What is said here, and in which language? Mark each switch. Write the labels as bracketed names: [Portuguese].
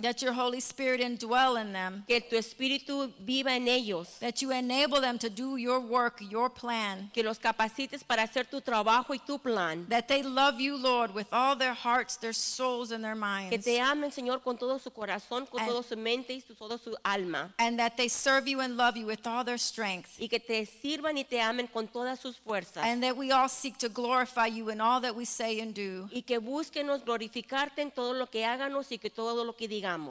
[English] That your Holy Spirit indwell in them. [Spanish] Que tu espíritu viva en ellos. [English] That you enable them to do your work, your plan. [Spanish] Que los capacites para hacer tu trabajo y tu plan. [English] That they love you, Lord, with all their hearts, their soul, in their minds. [Spanish] Que te amen, Señor, con todo su corazón, con toda su mente y toda su alma. [English] And that they serve you and love you with all their strength. [Spanish] Y que te sirvan y te amen con todas sus fuerzas. [English] And that we all seek to glorify you in all that we say and do. [Spanish] Y que búsquenos glorificarte en todo lo que háganos y que todo lo que digamos.